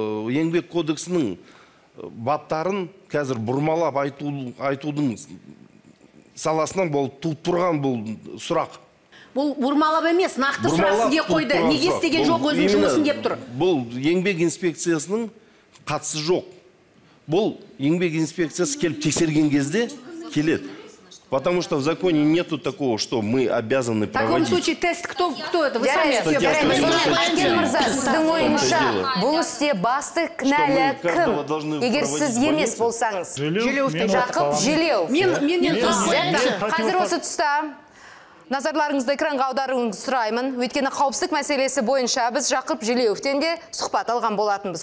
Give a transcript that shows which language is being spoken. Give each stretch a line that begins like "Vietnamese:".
Kazakh: Еңбек кодексінің баптарын қазір бұрмалап айтудың саласынан болып тұрған бұл сұрақ. Бұл бұрмалап емес, нақты сұрақ сізге қойды. Неге істеген жоқ өзінің жұмысын деп тұр. Бұл еңбек инспекциясының қатысы жоқ. Бұл еңбек инспекциясы келіп тексерген кезде келеді.
Russian: Потому что в законе нету такого, что мы обязаны проводить. В таком случае тест, кто это? Вы сами все.
Kazakh: Бұл істе басты кінәлі кім? Егер сіз емес болсаңыз. Жақып Жилеу. Қазір осы тұста. Назарларыңызды экранға аударуыңызды сұраймын. Өйткені қауіпсіздік мәселесі бойынша біз Жақып Жилеуовтен де сұхбат алған болатынбыз.